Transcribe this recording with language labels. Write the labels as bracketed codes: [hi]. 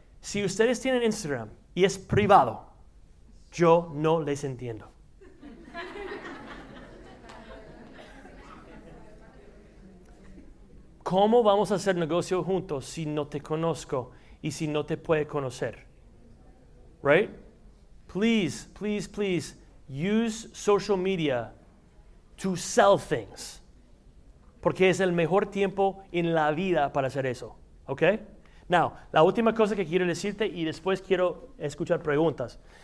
[es] Si ustedes tienen Instagram y es privado, yo no les entiendo. ¿Cómo vamos a hacer negocio juntos si no te conozco y si no te puede conocer? [en] Right? Please, please, please, use social media to sell things. [es] Porque es el mejor tiempo en la vida para hacer eso. ¿Ok? [en] Now, [es] la última cosa que quiero decirte y después quiero escuchar preguntas.